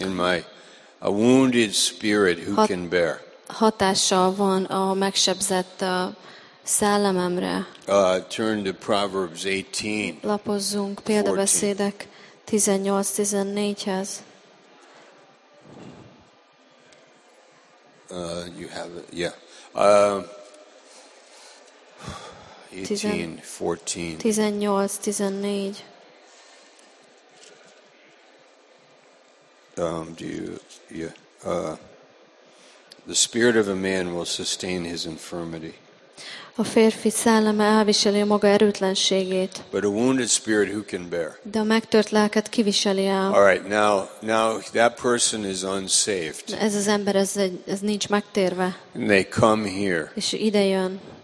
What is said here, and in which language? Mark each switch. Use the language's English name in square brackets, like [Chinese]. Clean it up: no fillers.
[English] in my a wounded spirit who can bear. [Hungarian] Hatással van a megsebzett szellememre. [English] Turn to Proverbs 18. [Hungarian] Lapozzunk Példabeszédek 18:14-hez. [English] You have it, yeah. 18:14. The spirit of a man will sustain his infirmity. [Hungarian] A férfi szelleme elviseli a maga erőtlenségét. [English] But a wounded spirit who can bear? [Hungarian] De a megtört lelket kiviseli el. [English] All right, now that person is unsaved. [Hungarian] Ez az ember ez nincs megtérve. [English] And they come here. [Hungarian] És ide jön.